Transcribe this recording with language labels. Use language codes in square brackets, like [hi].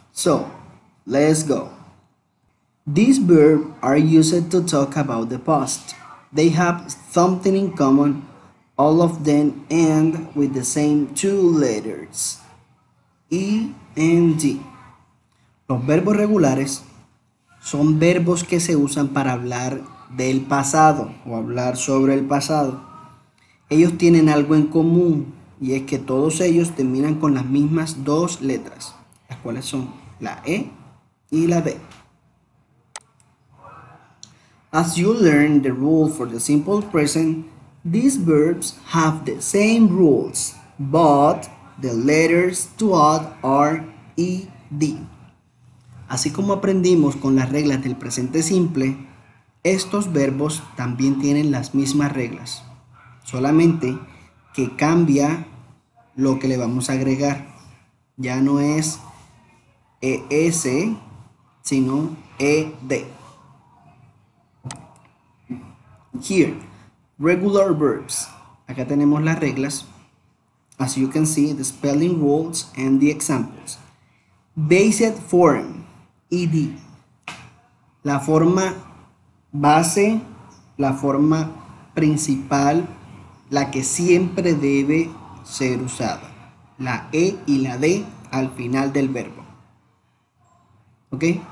[en] So, let's go. These verbs are used to talk about the past. They have something in common. All of them end with the same two letters, E and D. [es] Los verbos regulares son verbos que se usan para hablar del pasado o hablar sobre el pasado. Ellos tienen algo en común y es que todos ellos terminan con las mismas dos letras, las cuales son la E y la B. [en] As you learn the rule for the simple present, these verbs have the same rules, but the letters to add are E, D. [es] Así como aprendimos con las reglas del presente simple, estos verbos también tienen las mismas reglas, solamente que cambia lo que le vamos a agregar. Ya no es ES, sino ED. [en] Here, regular verbs. [es] Acá tenemos las reglas. [en] As you can see, the spelling rules and the examples. Based form. ED, [es] la forma base, la forma principal, la que siempre debe ser usada, la E y la D al final del verbo, ¿ok?